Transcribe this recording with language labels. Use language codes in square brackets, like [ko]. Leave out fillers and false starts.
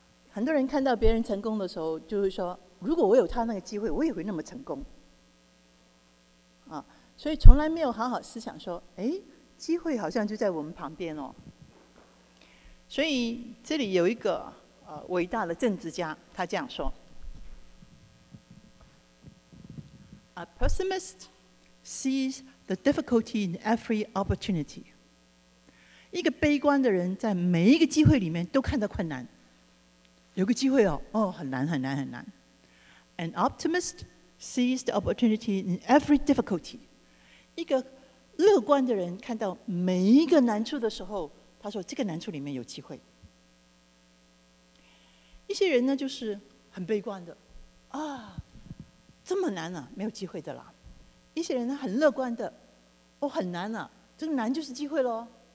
[zh] 很多人看到别人成功的时候，就会说如果我有他那个机会，我也会那么成功啊。所以从来没有好好思想说，哎，机会好像就在我们旁边哦。所以这里有一个伟大的政治家，他这样说。 [en] A pessimist sees the difficulty in every opportunity. [zh] 一个悲观的人在每一个机会里面都看到困难。有个机会哦，很难很难很难。 [en] An optimist sees the opportunity in every difficulty. [zh] 一个乐观的人看到每一个难处的时候，他说这个难处里面有机会。一些人呢，就是很悲观的，啊，这么难啊，没有机会的啦。一些人很乐观的，哦，很难啊，这个难就是机会咯。